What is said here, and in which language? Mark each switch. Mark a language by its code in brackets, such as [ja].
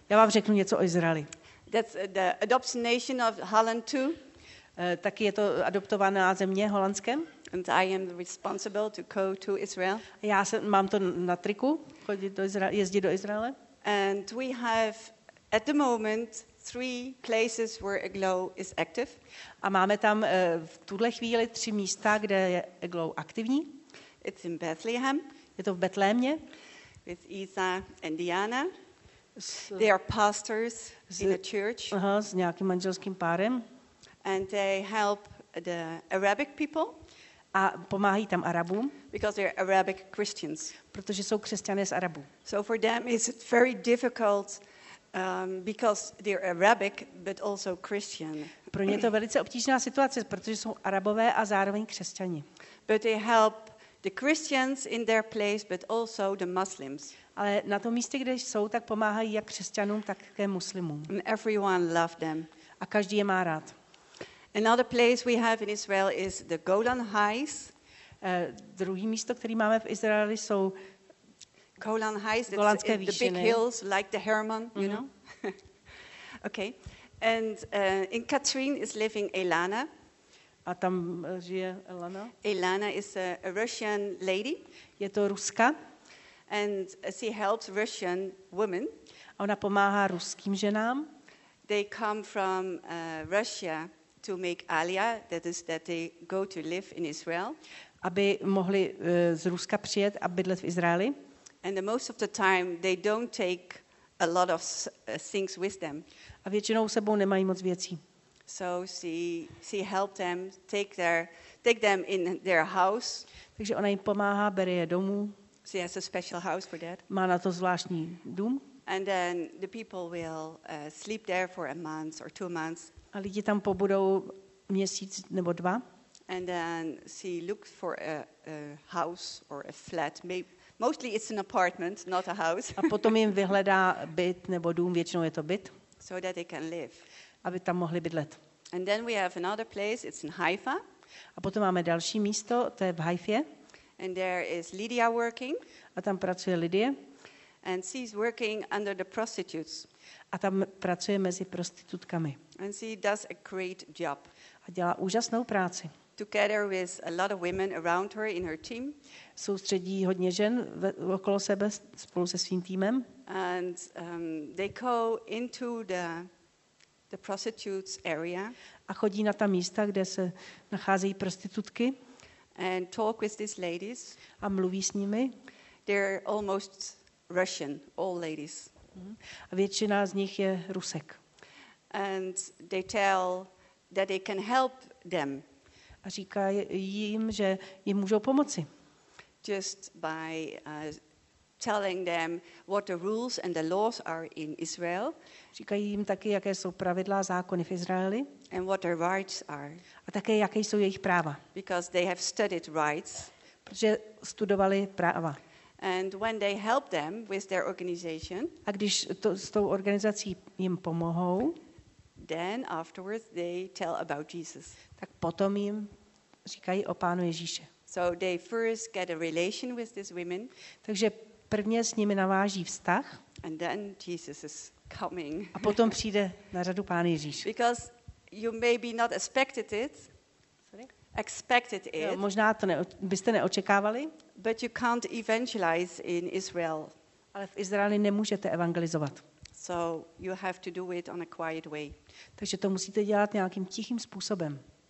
[cs] Já vám řeknu něco o Izraeli. [en] That's the adopted nation of Holland too. [cs] Taky je to adoptovaná země holandské. [en] And I am responsible to go to Israel. [cs] Já mám to na triku, jezdit do Izraele. [en] And we have at the moment 3 places where Eglow is active. [cs] A máme tam v tuhle chvíli 3 místa, kde je Eglow aktivní. [en] It's in Bethlehem. [cs] Je to v Betlémě. [en] With Isa and Diana. They are pastors in a church. [cs] S nějakým manželským párem. [en] And they help the Arabic people. [cs] A pomáhají tam Arabům. [en] Because they are Arabic Christians. [cs] Protože jsou křesťané z Arabů. [en] So for them is it very difficult because they are Arabic but also Christian. [cs] Pro ně to velice obtížná situace, protože jsou Arabové a zároveň křesťani. [en] But they help the Christians in their place but also the Muslims. [cs] Ale na tom místě, kde jsou, tak pomáhají jak křesťanům, tak také muslimům. [en] And everyone loved them. [cs] A každý je má rád. [en] Another place we have in Israel is the Golan Heights. [cs] Druhý místo, který máme v Izraeli, jsou [en] Golan Heights, [cs] Golanské výšiny. [en] The big hills like the Hermon, you know. Okay. And in Katrin is living Elana. [cs] A tam žije Elana. [en] Elana is a Russian lady. [cs] Je to Ruska. [en] And she helps Russian women. [cs] A ona pomáhá ruským ženám. [en] They come from Russia to make Aliyah, that is that they go to live in Israel. [cs] Aby mohli z Ruska přijet a bydlet v Izraeli. [en] And the most of the time they don't take a lot of things with them. [cs] A většinou sebou nemají moc věcí. [en] So she helped them take them in their house. [cs] Takže ona jim pomáhá, bere je domů. [en] She has a special house for that. [cs] Má na to zvláštní dům. [en] And then the people will sleep there for a month or 2 months. [cs] A lidi tam pobudou měsíc nebo dva. [en] And then she looked for a house or a flat. Maybe, mostly it's an apartment, not a house. [cs] A potom jim vyhledá byt nebo dům, většinou je to byt. [en] So that they can live. [cs] Aby tam mohli bydlet. [en] And then we have another place, it's in Haifa. [cs] A potom máme další místo, to je v Haifě. [en] And there is Lydia working. [cs] A tam pracuje Lydia. [en] And she's working under the prostitutes. [cs] A tam pracuje mezi prostitutkami. [en] And she does a great job. [cs] A dělá úžasnou práci. [en] Together with a lot of women around her in her team. [cs] Soustředí hodně žen okolo sebe spolu se svým týmem. [en] And they go into the prostitutes area. [cs] A chodí na ta místa, kde se nacházejí prostitutky. [en] And talk with these ladies. [cs] A mluví s nimi. [en] They're almost Russian, all ladies. [cs] A většina z nich je Rusek. [en] And they tell that they can help them. [cs] A říká jim, že jim můžou pomoci. [en] Just by telling them what the rules and the laws are in Israel. [cs] Říkají jim taky, jaké jsou pravidla a zákony v Izraeli. [en] And what their rights are. [cs] A také, jaké jsou jejich práva. [en] Because they have studied rights. [cs] Protože studovali práva. [en] And when they help them with their organization. [cs] A když to s tou organizací jim pomohou. [en] Then afterwards they tell about Jesus. [cs] Tak potom jim říkají o Pánu Ježíše. [en] So they first get a relation with these women. [cs] Takže prvně s nimi naváží vztah. [en] And then Jesus is coming. [cs] A potom přijde na řadu Pán Ježíš. [en] Because you maybe not expected it. Expected it. [cs] No, možná to byste neočekávali. [en] But you can't evangelize in Israel. [cs] Ale v Izraeli nemůžete evangelizovat. [en] So you have to do it on a quiet way. [cs] Takže to musíte dělat nějakým tichým způsobem.